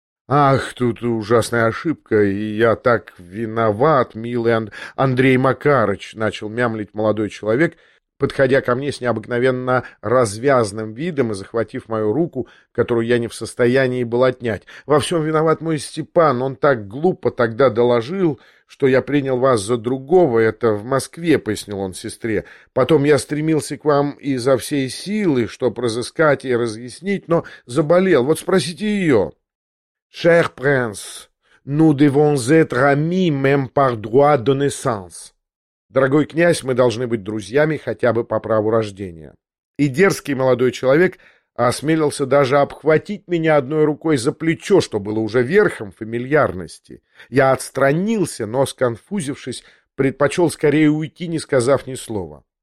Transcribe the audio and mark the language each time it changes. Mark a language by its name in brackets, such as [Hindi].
[Russian] «Ах, тут ужасная ошибка, и я так виноват, милый Андрей Макарович», — начал мямлить молодой человек, подходя ко мне с необыкновенно развязным видом и захватив мою руку, которую я не в состоянии был отнять. «Во всем виноват мой Степан, он так глупо тогда доложил, что я принял вас за другого, это в Москве», — пояснил он сестре. «Потом я стремился к вам изо всей силы, чтоб разыскать и разъяснить, но заболел. Вот спросите ее». [French] «Cher prince, nous devons être amis même par droit de naissance». [Russian] «Дорогой князь, мы должны быть друзьями хотя бы по праву рождения». И дерзкий молодой человек осмелился даже обхватить меня одной рукой за плечо, что было уже верхом фамильярности. Я отстранился, но, сконфузившись, предпочел скорее уйти, не сказав ни слова.